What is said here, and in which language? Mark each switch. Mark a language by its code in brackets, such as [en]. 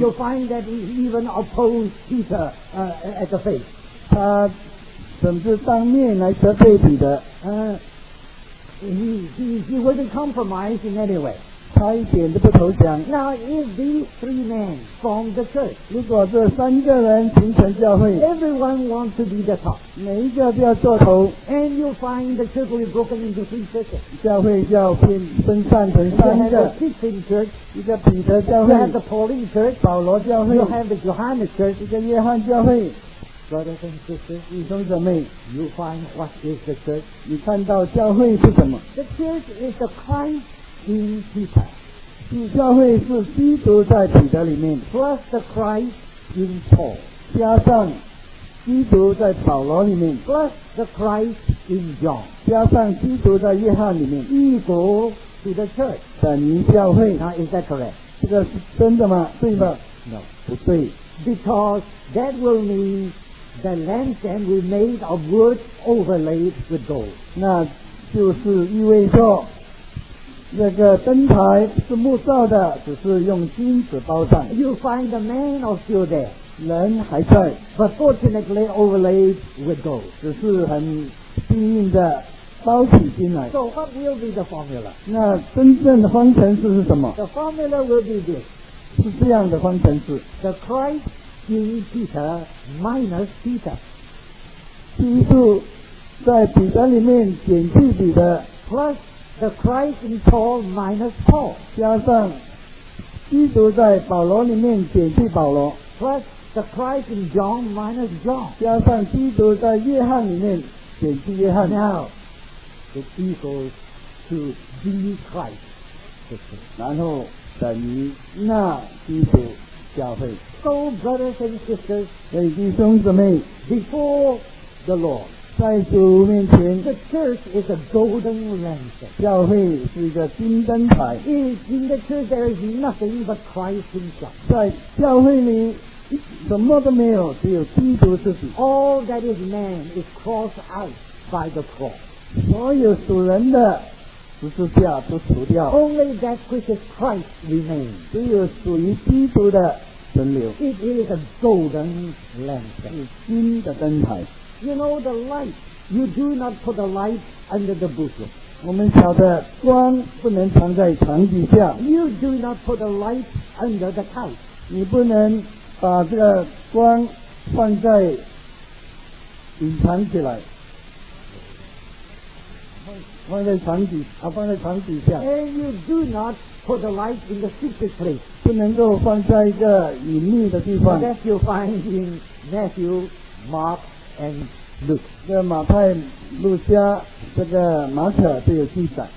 [en] You find that he even opposed Peter at the face. [zh] 他甚至当面来责备彼得。 [en] He wasn't compromised in any way. [zh] 他一点都不投降。 [en] Now if these three men form the church, [zh] 如果这三个人形成教会， [en] everyone wants to be the top. [zh] 每一个都要做头。 [en] And you find the church will be broken into three churches. [zh] 教会就要分散成三个。 [en] You have the Christian church, [zh] 一个彼得教会。 [en] You have the Pauline church, [zh] 保罗教会。 [en] You have the Johannes church, [zh] 一个约翰教会。 [en] Brothers and sisters, [zh] 弟兄姊妹， [en] you find what is the church? [zh] 你看到教会是什么？ [en] The church is the Christ. In Peter. [zh] 主教会是基督在彼得里面 [en] Plus the Christ in Paul. [zh] 加上基督在保罗里面 [en] Plus the Christ in John. [zh] 加上基督在约翰里面 [en] Equal to the church. [zh] 等于教会 [en] Now is that correct? [zh] 这个是真的吗？对吗？ [en] No. [zh] 不对。 [en] Because that will mean the lampstand will be made of wood overlaid with gold. [zh] 那就是意味着那个灯台是木造的，只是用金子包上。 [en] You find the man is still there. [zh] 人还在。 [en] But fortunately overlaid with gold. [zh] 只是很幸运的包起金来。 [en] So what will be the formula? [zh] 那真正的方程式是什么？ [en] The formula will be this. [zh] 是这样的方程式。 [en] The Christ in Peter minus Peter. [zh] 基督在彼得里面减去彼得。 [en] Plus,The Christ in Paul minus Paul. [zh] 加上基督在保罗里面减去保罗。 [en] Plus the Christ in John minus John. [zh] 加上基督在约翰里面减去约翰。 [en] Now, it equals to the Christ. [zh] 然后等于那基督教会。 [en] So brothers and sisters, [zh] 所以弟兄姊妹 [en] before the Lord. [zh] 在主面前 [en] The church is a golden lantern. [zh] 教会是一个金灯台 [en] In the church there is nothing but Christ himself. [zh] 在教会里什么都没有只有基督自己 [en] All that is man is crossed out by the cross. [zh] 所有属人的十字架都除掉 [en] Only that which is Christ remains. [zh] 只有属于基督的存留 [en] It is a golden lantern. [zh] 是金的灯台 [en] You know the light. You do not put the light under the bushel. [zh] 我们晓得光不能藏在床底下。 [en] You do not put the light under the couch. [zh] 你不能把这个光放在隐藏起来。放在床底下。 [en] And you do not put the light in the secret place. [zh] 不能够放在一个隐秘的地方。 [en] That you find in Matthew, Mark, and Luke. [zh] 这马太、路加、这个马可都有记载。